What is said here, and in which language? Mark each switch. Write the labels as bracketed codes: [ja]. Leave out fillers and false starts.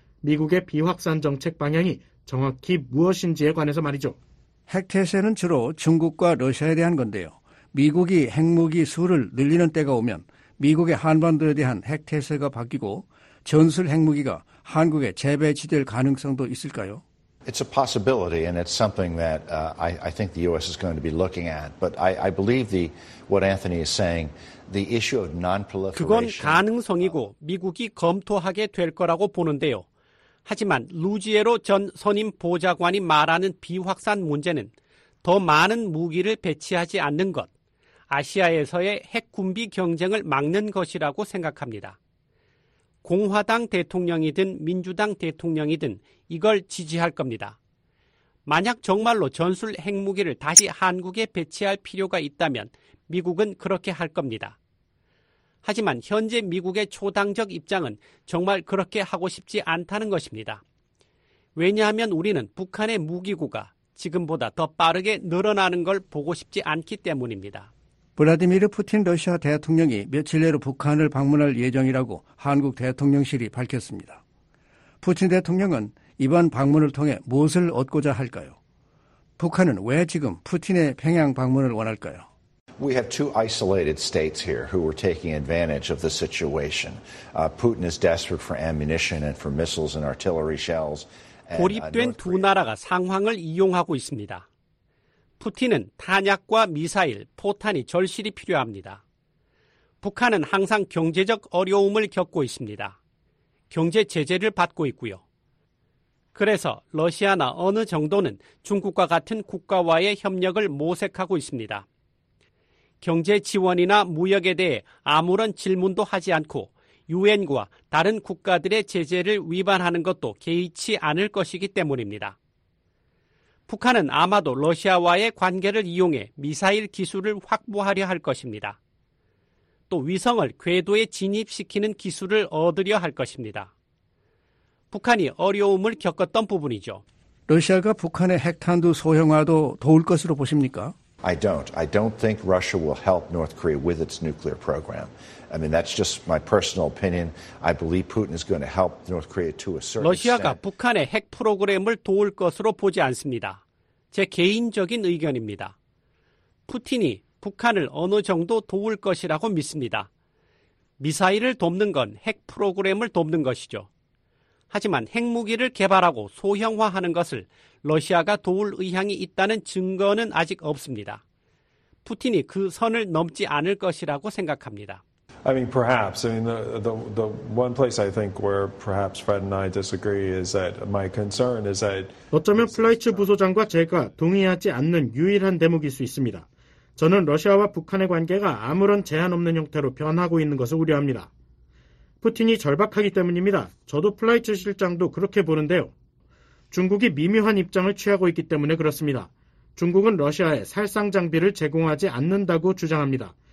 [ko] 미국의 비확산 정책 방향이 정확히 무엇인지에 관해서 말이죠. 핵태세는 주로 중국과 러시아에 대한 건데요. 미국이 핵무기 수를 늘리는 때가 오면 미국의 한반도에 대한 핵태세가 바뀌고 전술 핵무기가 한국에 재배치될 가능성도 있을까요? [en] It's a possibility and it's something that I think the US is going to be looking at. But I believe the what Anthony is saying, the issue of non-proliferation. [ko] 그건 가능성이고 미국이 검토하게 될 거라고 보는데요. 하지만 루지에로 전 선임 보좌관이 말하는 비확산 문제는 더 많은 무기를 배치하지 않는 것, 아시아에서의 핵 군비 경쟁을 막는 것이라고 생각합니다. 공화당 대통령이든 민주당 대통령이든 이걸 지지할 겁니다. 만약 정말로 전술 핵무기를 다시 한국에 배치할 필요가 있다면 미국은 그렇게 할 겁니다. 하지만 현재 미국의 초당적 입장은 정말 그렇게 하고 싶지 않다는 것입니다. 왜냐하면 우리는 북한의 무기고가 지금보다 더 빠르게 늘어나는 걸 보고 싶지 않기 때문입니다. 블라디미르 푸틴 러시아 대통령이 며칠 내로 북한을 방문할 예정이라고 한국 대통령실이 밝혔습니다. 푸틴 대통령은 이번 방문을 통해 무엇을 얻고자 할까요? 북한은 왜 지금 푸틴의 평양 방문을 원할까요? [en] We have two isolated states here who were taking advantage of the situation. Putin is desperate for ammunition and for missiles and artillery shells. [ko] 고립된 두 나라가 상황을 이용하고 있습니다. 푸틴은 탄약과 미사일, 포탄이 절실히 필요합니다. 북한은 항상 경제적 어려움을 겪고 있습니다. 경제 제재를 받고 있고요. 그래서 러시아나 어느 정도는 중국과 같은 국가와의 협력을 모색하고 있습니다. 경제 지원이나 무역에 대해 아무런 질문도 하지 않고 유엔과 다른 국가들의 제재를 위반하는 것도 개의치 않을 것이기 때문입니다. 북한은 아마도 러시아와의 관계를 이용해 미사일 기술을 확보하려 할 것입니다. 또 위성을 궤도에 진입시키는 기술을 얻으려 할 것입니다. 북한이 어려움을 겪었던 부분이죠. 러시아가 북한의 핵탄두 소형화도 도울 것으로 보십니까? [en] I don't think Russia will help North Korea with its nuclear program. I mean, that's just my personal opinion. I believe Putin is going to help North Korea to a certain extent. [ko] 러시아가 북한의 핵 프로그램을 도울 것으로 보지 않습니다. 제 개인적인 의견입니다. 푸틴이 북한을 어느 정도 도울 것이라고 믿습니다. 미사일을 돕는 건 핵 프로그램을 돕는 것이죠. 하지만 핵무기를 개발하고 소형화하는 것을 러시아가 도울 의향이 있다는 증거는 아직 없습니다. 푸틴이 그 선을 넘지 않을 것이라고 생각합니다. [en] I mean, perhaps. I mean, the one place I think where perhaps Fred and I disagree is that my concern is that [ko] 어쩌면 플라이츠 부소장과 제가 동의하지 않는 유일한 대목일 수 있습니다. 저는 러시아와 북한의 관계가 아무런 제한 없는 형태로 변하고 있는 것을 우려합니다. 푸틴이 절박하기 때문입니다. 저도 플라이츠 실장도 그렇게 보는데요. 중국이 미묘한 입장을 취하고 있기 때문에 그렇습니다. 중국은 러시아에 살상 장비를 제공하지 않는다고 주장합니다.